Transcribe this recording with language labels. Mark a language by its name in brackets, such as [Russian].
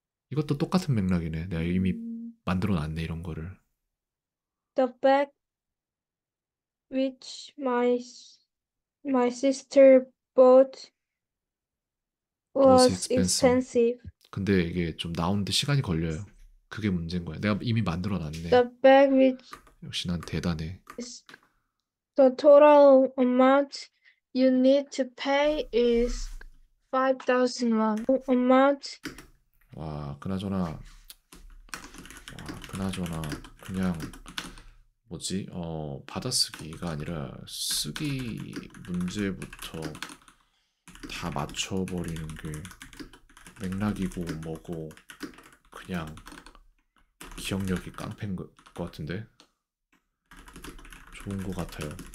[Korean] 이것도 똑같은 맥락이네. 내가 이미 만들어 놨네, 이런 거를. [English] The bag which my sister bought was was expensive. expensive. [Korean] 근데 이게 좀 나오는데 시간이 걸려요. 그게 문제인 거야. 내가 이미 만들어 놨네. [English] The bag which [Korean] 역시 난 대단해. [English] is the total amount you need to pay is 5,000 won. Amount [Korean] 와, 그나저나. 와, 그나저나. 그냥 뭐지? 받아쓰기가 아니라 쓰기 문제부터 다 맞춰버리는 게 맥락이고 뭐고 그냥 기억력이 깡패인 것 같은데 좋은 것 같아요.